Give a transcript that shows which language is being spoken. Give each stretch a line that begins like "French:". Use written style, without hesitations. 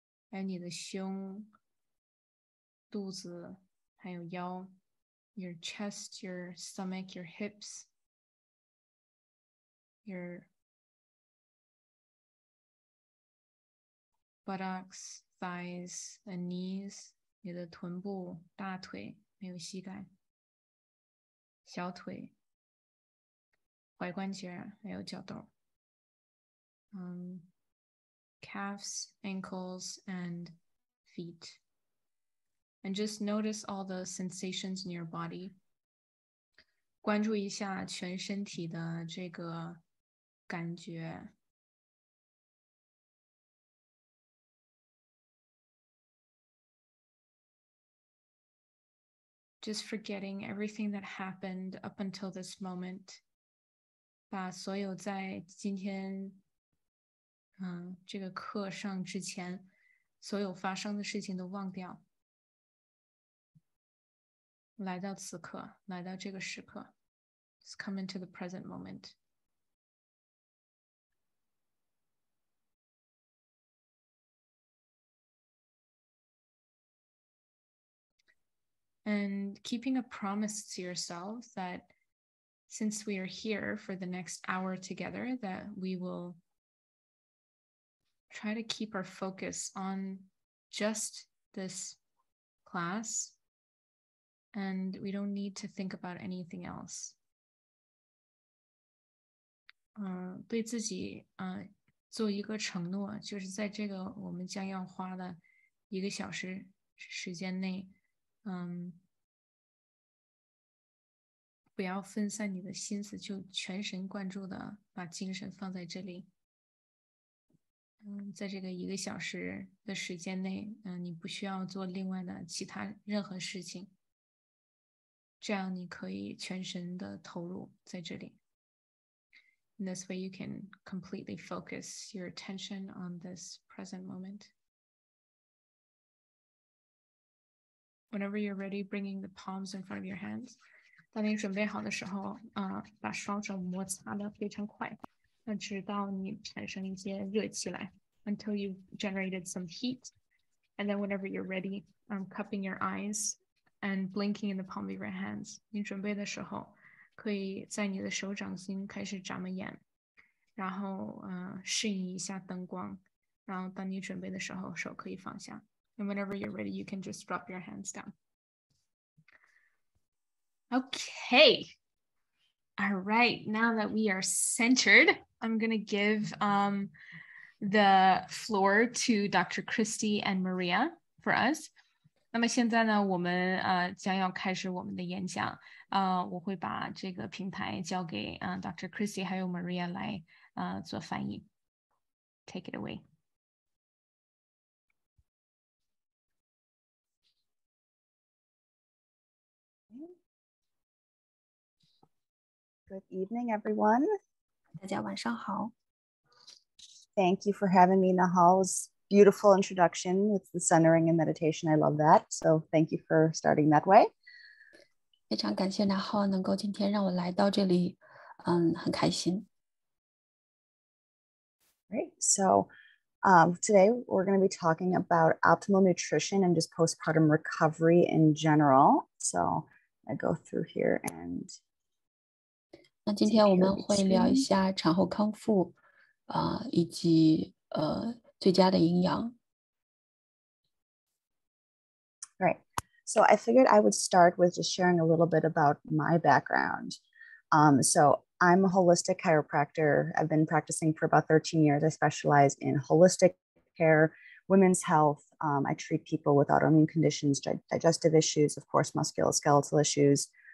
Chinese: 还有你的胸、肚子还有腰 ，
English: your chest, your stomach, your hips, your buttocks, thighs, and knees,
Chinese: 你的臀部、大腿没有膝盖、小腿、踝关节还有脚豆。
English: Calves, ankles, and feet. And just notice all the sensations in your body.
Chinese: 关注一下全身体的这个感觉。
English: Just forgetting everything that happened up until this moment.
Chinese: 把所有在今天这个课上之前所有发生的事情都忘掉。来到此刻，来到这个时刻。
English: Just come into the present moment. And keeping a promise to yourself that since we are here for the next hour together, that we will try to keep our focus on just this class and we don't need to think about anything else.
Chinese: 对自己做一个承诺，就是在这个我们将要花的一个小时时间内不要分散你的心思，就全神贯注的把精神放在这里。在这个一个小时的时间内，你不需要做另外的其他任何事情。这样你可以全神的投入在这里。
English: In this way, you can completely focus your attention on this present moment. Whenever you're ready, bringing the palms in front of your hands.
Chinese: 当你准备好的时候，把双手摩擦得非常快，那直到你产生一些热起来 ，
English: until you've generated some heat. And then whenever you're ready, cupping your eyes and blinking in the palm of your hands.
Chinese: 你准备的时候，可以在你的手掌心开始眨眨眼，然后适应一下灯光，然后当你准备的时候，手可以放下。
English: And whenever you're ready, you can just drop your hands down. Okay. All right. Now that we are centered, I'm going to give the floor to Dr. Christy and Maria for us.
Chinese: 那么现在呢，我们将要开始我们的演讲。我会把这个平台交给Dr. Christy 还有 Maria 来做翻译。
English: Take it away. Good evening, everyone.
Chinese: 大家晚上好。
English: Thank you for having me, Nahal's beautiful introduction with the centering and meditation. I love that. So thank you for starting that way.
Chinese: 非常感谢 Nahal 能够今天让我来到这里，很开心。
English: Great. So today we're going to be talking about optimal nutrition and just postpartum recovery in general. So I go through here and...
Chinese: 那今天我们会聊一下产后康复，以及最佳的营养。
English: Right. So I figured I would start with just sharing a little bit about my background. So I'm a holistic chiropractor. I've been practicing for about 13 years. I specialize in holistic care, women's health. I treat people with autoimmune conditions, digestive issues, of course, musculoskeletal issues.